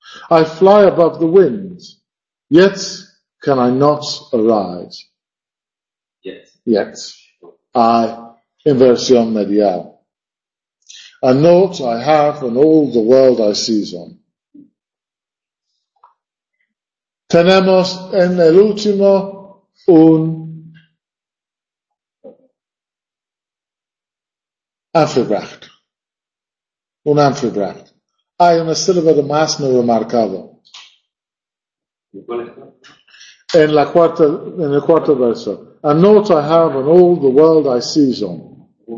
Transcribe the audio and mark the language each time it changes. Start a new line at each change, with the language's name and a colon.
English: I fly above the wind, yet can I not arise? Yet.
Spanish: I, inversión medial.
English: A naught I have and all the world I seize on.
Spanish: Tenemos en el último un amphibract. Un amphibract. Hay una sílaba de más no remarcado. En la cuarta, en el cuarto verso.
English: A naught I have and all the world I seize on.